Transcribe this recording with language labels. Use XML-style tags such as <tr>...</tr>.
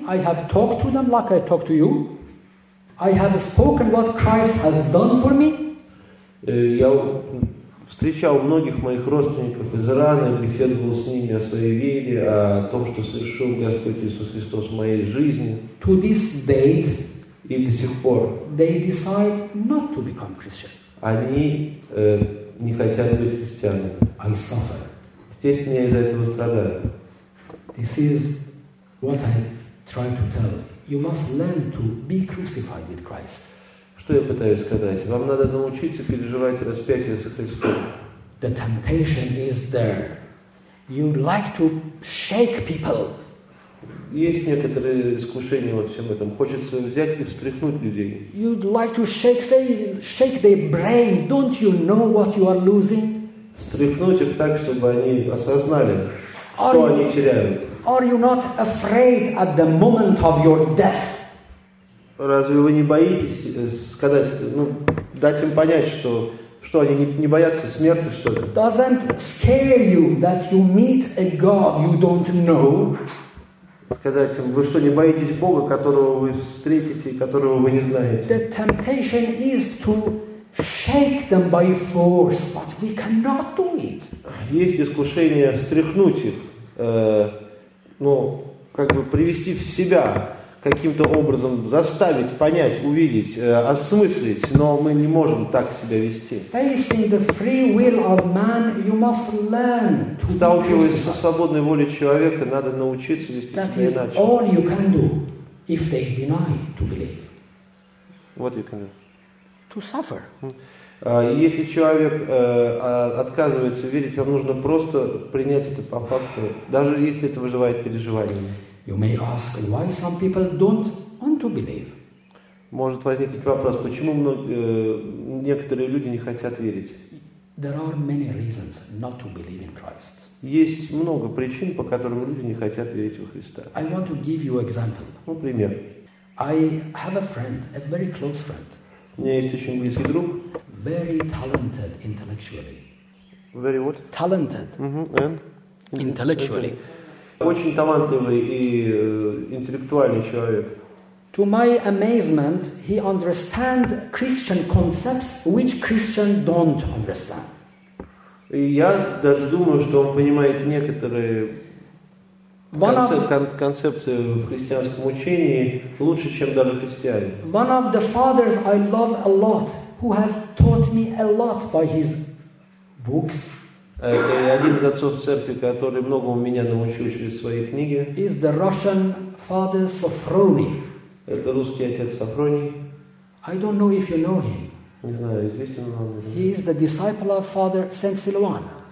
<en>I have talked to them like I talk to you. I have spoken what Christ has done for me.</en> <ru>Я встречал многих моих родственников из Ирана, беседовал с ними о своей вере, о том, что совершил Господь Иисус Христос в моей жизни.</ru> <en>To this day,</en> <ru>и до сих пор,</ru> <en>they decide not to become Christian.</en> <ru>Они не хотят быть христианами.</ru> <en>I suffer.</en> <ru>Естественно, я из-за этого страдаю.</ru> <en>This is what I try to tell. You must learn to be crucified with Christ.</en> <ru>Что я пытаюсь сказать? Вам надо научиться переживать распятие со Христом.</ru> <en>The temptation is there. You like to shake people.</en> <ru>Есть некоторые искушения во всем этом. Хочется взять и встряхнуть людей.</ru> <en>You'd like to shake their brain. Don't you know what you are losing?</en> <ru>Встряхнуть их так, чтобы они осознали, что они теряют.</ru> <en>Are you not afraid at the moment of your death?</en> <ru>Разве вы не боитесь сказать, ну, дать им понять, что они не боятся смерти, что ли?</ru> <en>Doesn't scare you that you meet a God you don't know?</en> <ru>Сказать им, вы что, не боитесь Бога, которого вы встретите, которого вы не знаете?</ru> <en>The temptation is to shake them by force, but we cannot do it.</en> <ru>Есть искушение встряхнуть их, как бы привести в себя, каким-то образом заставить, понять, увидеть, осмыслить, но мы не можем так себя вести. Сталкиваясь со свободной волей человека, надо научиться вести себя иначе.</ru> <en>All you can do, if they deny to believe. What you can do? To suffer.</en> <ru>Если человек отказывается верить, вам нужно просто принять это по факту, даже если это вызывает переживания.</ru> <en>You may ask why some people don't want to believe.</en> <ru>Может возникнуть вопрос, почему некоторые люди не хотят верить?</ru> <en>There are many reasons not to believe in Christ.</en> <ru>Есть много причин, по которым люди не хотят верить во Христа.</ru> <en>I want to give you example.</en> <ru>Ну, пример.</ru> <en>I have a friend, a very close friend.</en> <ru>У меня есть очень близкий друг.</ru> <en>Very talented intellectually. Very what? Talented. And? Intellectually.</en> <ru>Очень талантливый и интеллектуальный человек.</ru> <en>To my amazement, he understands Christian concepts which Christians don't understand.</en> <ru>И я даже думаю, что он понимает некоторые концепции в христианском учении лучше, чем даже христиане.</ru> <en>One of the fathers I love a lot, who has taught me a lot by his books.</en> <ru>Это один из отцов церкви, который многому меня научил через свои книги.</ru> <en>Is the Russian father Sofroni.</en> <ru>Это русский отец Сафроний.</ru> <en>I don't know if you know him.</en> <ru>Не знаю, известен ли он.</ru> <en>He is the disciple of Father Saint Silvan.</en>